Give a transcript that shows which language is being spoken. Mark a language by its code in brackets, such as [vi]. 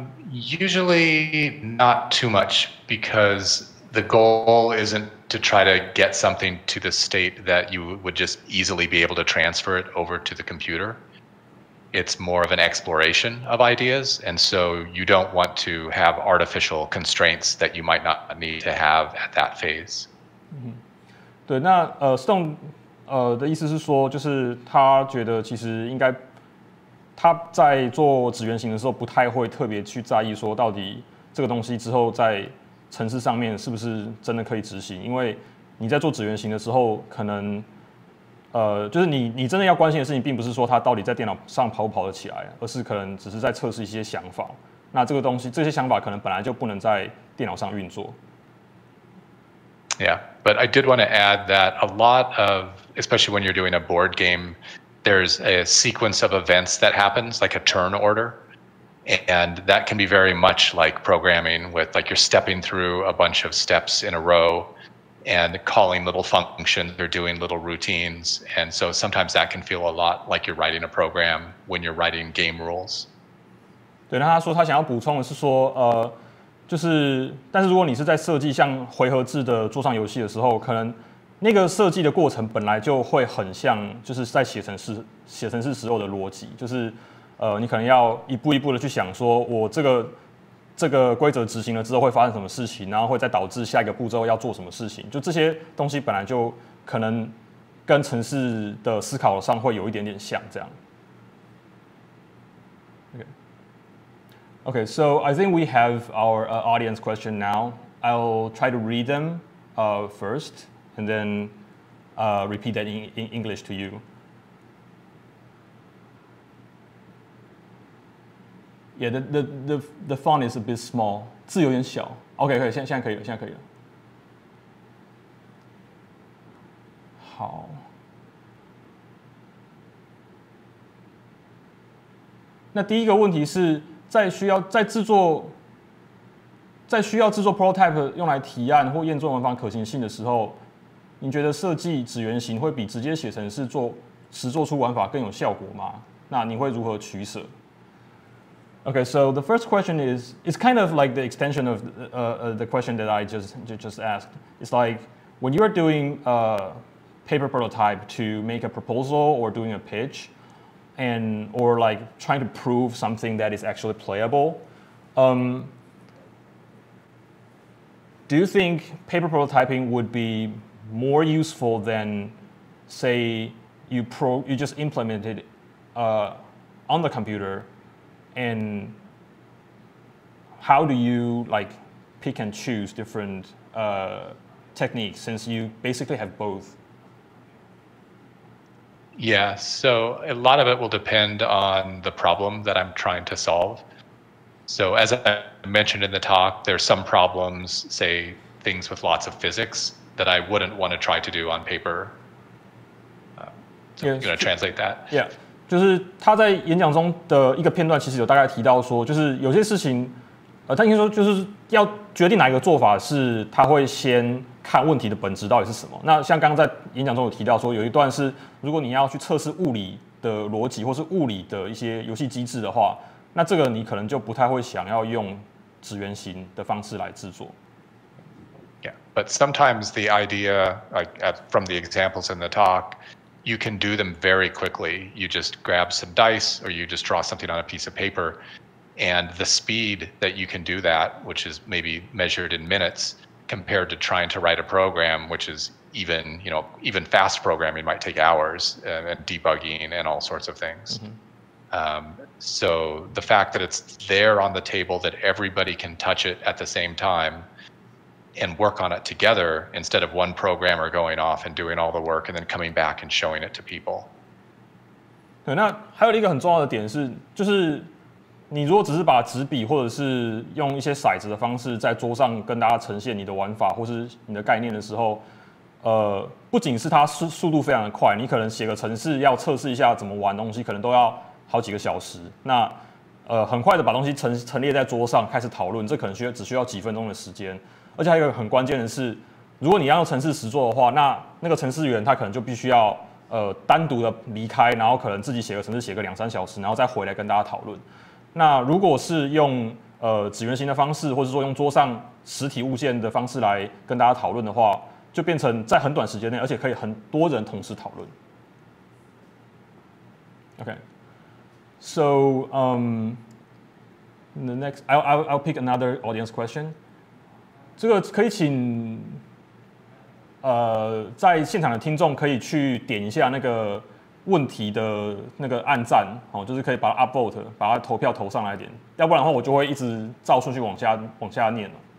[en] Usually not too much, because the goal isn't to try to get something to the state that you would just easily be able to transfer it over to the computer. It's more of an exploration of ideas, and so you don't want to have artificial constraints that you might not need to have at that phase. [zh] 对，那Stone的意思是说，就是他觉得其实应该他在做纸原型的时候，不太会特别去在意说到底这个东西之后在程式上面是不是真的可以执行，因为你在做纸原型的时候，可能就是你真的要关心的事情，并不是说他到底在电脑上跑不跑得起来，而是可能只是在测试一些想法。那这个东西，这些想法可能本来就不能在电脑上运作。 [en] Yeah, but I did want to add that a lot of, especially when you're doing a board game. There's a sequence of events that happens, like a turn order. And that can be very much like programming with, like you're stepping through a bunch of steps in a row and calling little functions or doing little routines. And so sometimes that can feel a lot like you're writing a program when you're writing game rules. [zh] 对，那他说他想要补充的是说，就是，但是如果你是在设计像回合制的桌上游戏的时候，可能那个设计的过程本来就会很像，就是在写程式时候的逻辑，就是你可能要一步一步的去想，说我这个规则执行了之后会发生什么事情，然后会再导致下一个步骤要做什么事情，就这些东西本来就可能跟程式的思考上会有一点点像这样。 [en] Okay, so I think we have our audience question now. I'll try to read them first. And then repeat that in English to you. Yeah, the font is a bit small. [zh] 字有点小。 OK, 可以，现在可以了，现在可以了。好。那第一个问题是在需要制作 prototype 用来提案或验证文法可行性的时候，你觉得设计纸原型会比直接写程式做实做出玩法更有效果吗？那你会如何取舍？ [en] Okay, so the first question is, it's kind of like the extension of the question that I just asked. It's like when you are doing a paper prototype to make a proposal or doing a pitch, and or like trying to prove something that is actually playable. Do you think paper prototyping would be more useful than, say, you just implemented on the computer, and how do you like pick and choose different techniques since you basically have both? Yeah, so a lot of it will depend on the problem that I'm trying to solve. So as I mentioned in the talk, there's some problems, say things with lots of physics, that I wouldn't want to try to do on paper. So yeah, I'm gonna translate that. [zh] Yeah, 就是他在演讲中的一个片段，其实有大概提到说，就是有些事情，他应该说就是要决定哪一个做法，是他会先看问题的本质到底是什么。那像刚刚在演讲中有提到说，有一段是如果你要去测试物理的逻辑或是物理的一些游戏机制的话，那这个你可能就不太会想要用纸原型的方式来制作。 [en] Yeah, but sometimes the idea, like from the examples in the talk, you can do them very quickly. You just grab some dice or you just draw something on a piece of paper. And the speed that you can do that, which is maybe measured in minutes, compared to trying to write a program, which is even, you know, even fast programming might take hours and debugging and all sorts of things. Mm-hmm. So the fact that it's there on the table that everybody can touch it at the same time and work on it together instead of one programmer going off and doing all the work and then coming back and showing it to people. [zh] 对，那还有一个很重要的点是，就是你如果只是把纸笔或者是用一些骰子的方式在桌上跟大家呈现你的玩法或是你的概念的时候，不仅是它速度非常的快，你可能写个程式要测试一下怎么玩东西，可能都要好几个小时。那很快的把东西陈列在桌上开始讨论，这可能只需要几分钟的时间。而且还有一个很关键的是，如果你要用程式实作的话，那个程式员他可能就必须要单独的离开，然后可能自己写个程式写个两三小时，然后再回来跟大家讨论。那如果是用纸原型的方式，或者说用桌上实体物件的方式来跟大家讨论的话，就变成在很短时间内，而且可以很多人同时讨论。 [en] Okay, so the next, I'll pick another audience question. [zh] 这个可以请，在现场的听众可以去点一下那个问题的那个按赞，哦，就是可以把它 upvote， 把它投票投上来一点，要不然的话我就会一直照顺序往下念了。